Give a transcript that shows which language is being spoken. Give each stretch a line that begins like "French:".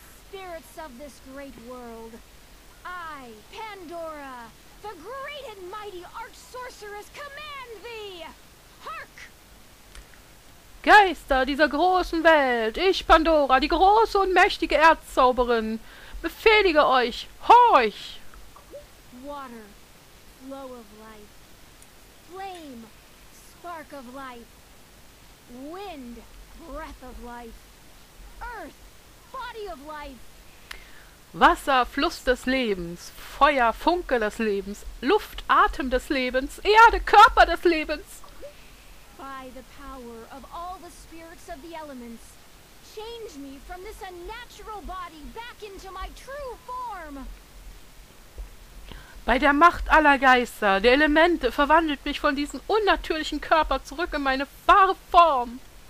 English: Spirits of this great world, I, Pandora, the great and mighty arch sorceress, command thee! Hark!
German: Geister dieser großen Welt, ich, Pandora, die große und mächtige Erdzauberin, befehle euch, horch!
English: Water. Glow of life, flame, spark of life, wind, breath of life, earth, body of life.
German: Wasser, Fluss des Lebens, Feuer, Funke des Lebens, Luft, Atem des Lebens, Erde, Körper des Lebens.
English: By the power of all the spirits of the elements, change me from this unnatural body back into my true form.
German: Bei der Macht aller Geister, der Elemente, verwandelt mich von diesem unnatürlichen Körper zurück in meine wahre Form.